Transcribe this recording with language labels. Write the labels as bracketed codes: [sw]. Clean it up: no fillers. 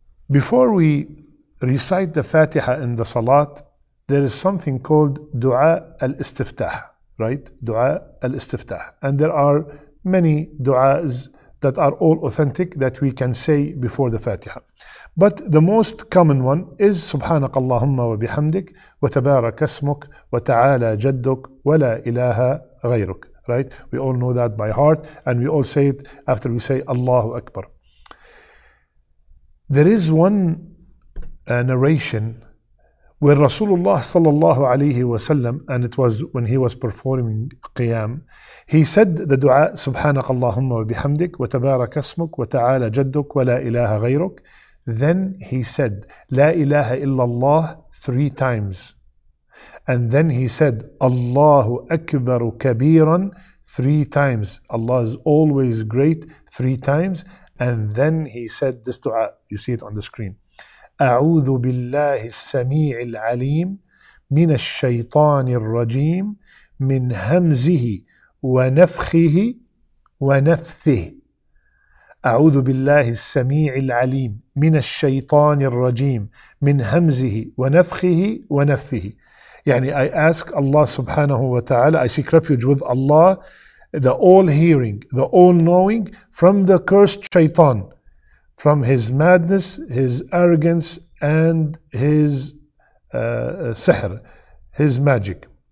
[en] Before we recite the Fatiha in the Salat, there is something called Dua al-Istiftah, right? Dua al-Istiftah. And there are many du'as that are all authentic that we can say before the Fatiha. But the most common one is [ar] سبحانك اللهم وبحمدك وتبارك اسمك وتعالى جدك ولا إله غيرك, [en] right? We all know that by heart, and we all say it after we say Allahu Akbar. There is one narration where Rasulullah [ar] صلى الله عليه وسلم, [en] and it was when he was performing Qiyam, he said the dua [ar] سبحانك اللهم وبحمدك وتبارك اسمك وتعالى جدك ولا إله غيرك. [en] Then he said, La ilaha illallah, three times. And then he said, Allahu akbar kabiran, three times. Allah is always great, three times. And then he said this dua, you see it on the screen. [ar] A'udhu billahi as-sami' al-alim, min ash-shaytan ar-rajim, min hamzihi, wa nafkhihi, wa nafthihi. أعوذ بالله السميع العليم من الشيطان الرجيم من همزه ونفخه ونفثه. [en] يعني I ask Allah سبحانه وتعالى, I seek refuge with Allah, the all-hearing, the all-knowing, from the cursed shaitan, from his madness, his arrogance, and his sihr, his magic.